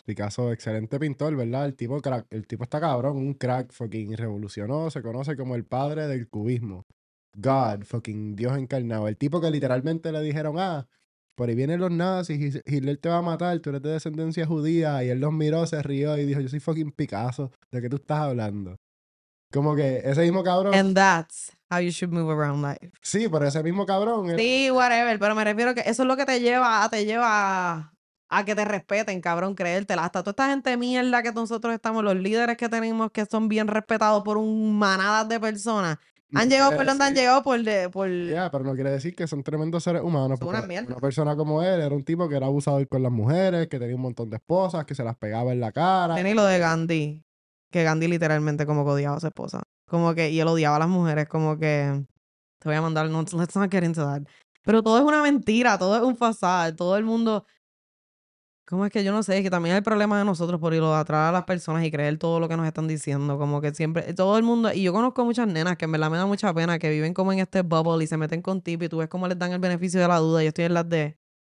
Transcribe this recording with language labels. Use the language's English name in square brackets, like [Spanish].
[Spanish] Picasso, excelente pintor, ¿verdad? El tipo crack, el tipo está cabrón, un crack, fucking revolucionó, se conoce como el padre del cubismo. God, fucking Dios encarnado. El tipo que literalmente le dijeron, ah, por ahí vienen los nazis, Hitler te va a matar, tú eres de descendencia judía. Y él los miró, se rió y dijo, yo soy fucking Picasso, ¿de qué tú estás hablando? Como que ese mismo cabrón... [English] And that's how you should move around life. [Spanish] Sí, pero ese mismo cabrón... Sí, whatever, pero me refiero que eso es lo que te lleva a que te respeten, cabrón, creértela. Hasta toda esta gente mierda que nosotros estamos, los líderes que tenemos, que son bien respetados por un manada de personas... Han llegado por... Pero no quiere decir que son tremendos seres humanos. Una persona como él era un tipo que era abusador con las mujeres, que tenía un montón de esposas, que se las pegaba en la cara. Tenía lo de Gandhi, que Gandhi literalmente como que odiaba a su esposa. Como que, y él odiaba a las mujeres, como que... Te voy a mandar, no, [English] let's not get into that. [Spanish] Pero todo es una mentira, todo es un facade, todo el mundo... ¿Cómo es que yo no sé? Es que también es el problema de nosotros por irlo atrás a las personas y creer todo lo que nos están diciendo. Como que siempre, todo el mundo, y yo conozco muchas nenas que en verdad me da mucha pena, que viven como en este bubble y se meten con tipo y tú ves cómo les dan el beneficio de la duda. Yo estoy en las de...